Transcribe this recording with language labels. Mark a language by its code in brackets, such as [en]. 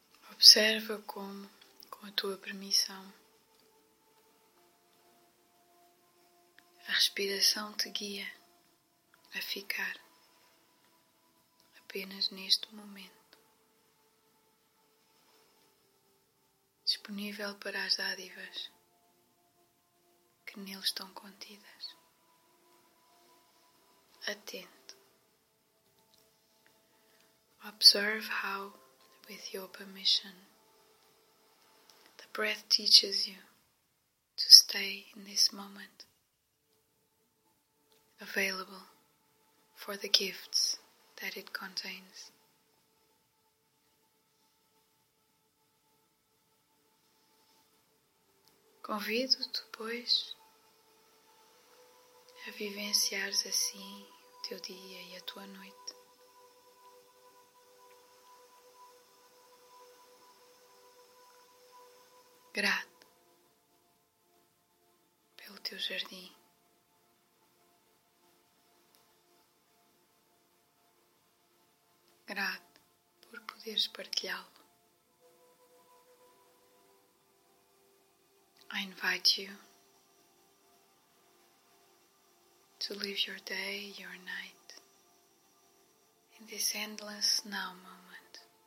[pt] Observa como, com a tua permissão, a respiração te guia a ficar apenas neste momento, disponível para as dádivas que nele estão contidas, atento. [en] Observe how, with your permission, the breath teaches you to stay in this moment, available for the gifts that it contains. [pt] Convido depois a vivenciares assim o teu dia e a tua noite. Grato pelo teu jardim, grato por poderes partilhá-lo. [en] I invite you to live your day, your night, in this endless now moment.